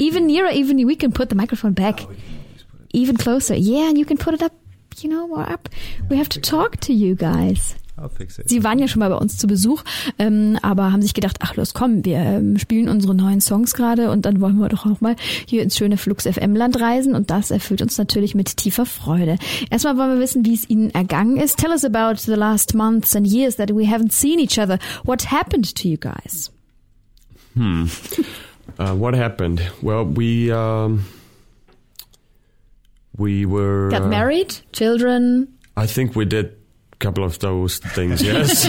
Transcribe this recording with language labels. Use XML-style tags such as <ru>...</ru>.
<en>Yeah, even nearer, even we can put the microphone back. Even closer. Yeah, and you can put it up, you know, more up. We have to talk to you guys. I'll fix it.</en> <de>Sie waren ja schon mal bei uns zu Besuch, aber haben sich gedacht, ach los, komm, wir spielen unsere neuen Songs gerade und dann wollen wir doch auch mal hier ins schöne Flux-FM-Land reisen. Und das erfüllt uns natürlich mit tiefer Freude. Erstmal wollen wir wissen, wie es Ihnen ergangen ist.</de> <en>Tell us about the last months and years that we haven't seen each other. What happened to you guys? What happened? Well, we were... Got married? Children? I think we did a couple of those things, yes.</en>